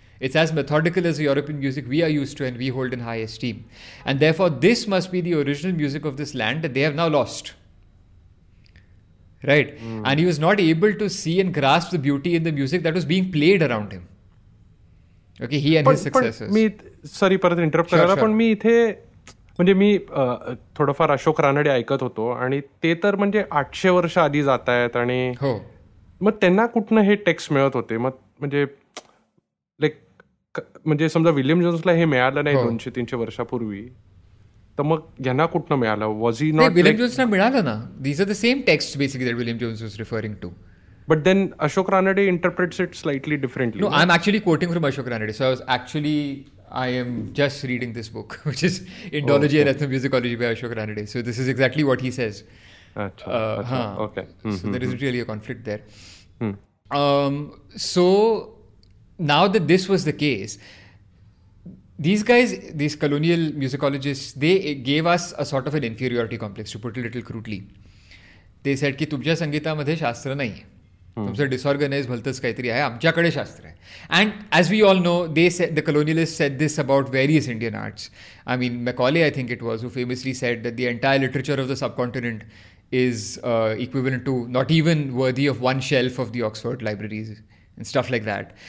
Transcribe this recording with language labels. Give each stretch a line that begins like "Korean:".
English: It's as methodical as the European music we are used to and we hold in high esteem. And therefore, this must be the original music of this land that they have now lost. Right. And he was not able to see and grasp the beauty in the music that was being played around him. Okay, he and his successors.
Marathi: मी थोडंफार अशोक रानडे ऐकत होतो आणि ते तर म्हणजे 800 वर्ष आधी जात आहेत आणि हो मग त्यांना कुठनं हे टेक्स्ट मिळत होते मग म्हणजे लाईक म्हणजे समजा विल्यम जोन्सला हे मिळालं नाही 200-300 वर्षापूर्वी तर मग यांना कुठनं मिळालं
English: was he not
Marathi: विल्यम जोन्सला मिळालं ना
English: These are the same text basically that William Jones was referring to But then Ashok Ranade interprets it slightly differently. No, right? I'm actually quoting from Ashok Ranade. So I am just reading this book, which is Indology and Ethnomusicology by Ashok Ranade. So this is exactly what he says. Okay. So there isn't really a conflict there. Hmm. So now that this was the case, these guys, these colonial musicologists, they gave us a sort of an inferiority complex, to put it a little crudely. They said
Marathi: ki tumcha sangeetamadhe shastra nahi hai. तुमचं डिसऑर्गनाइज भलतंच काहीतरी आहे, आमच्याकडे शास्त्र आहे.
English: And as we all know they said, the colonialist said this about various Indian arts. I mean Macaulay I think it was who famously said that the entire literature of the subcontinent is equivalent to not even worthy of one shelf of the Oxford libraries and stuff like that.